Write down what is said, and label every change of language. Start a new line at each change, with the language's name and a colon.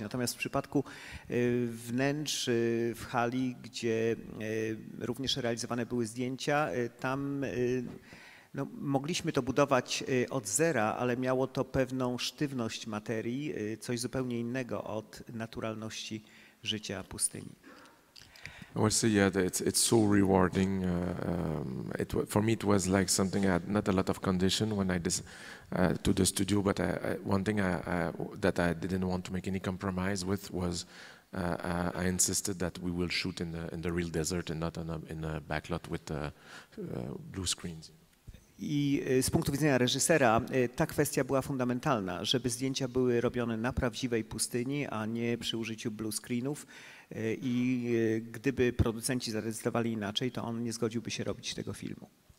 Polish: Natomiast w przypadku wnętrz w hali, gdzie również realizowane były zdjęcia, tam no, mogliśmy to budować od zera, ale miało to pewną sztywność materii, coś zupełnie innego od naturalności życia pustyni.
English: I would say, yeah, it's so rewarding. For me, it was like something I had not a lot of condition when I to the studio, but one thing that I didn't want to make any compromise with was I insisted that we will shoot in the real desert and not in a backlot with blue screens.
Polish: I z punktu widzenia reżysera ta kwestia była fundamentalna, żeby zdjęcia były robione na prawdziwej pustyni, a nie przy użyciu blue screenów. I gdyby producenci zadecydowali inaczej, to on nie zgodziłby się robić tego filmu.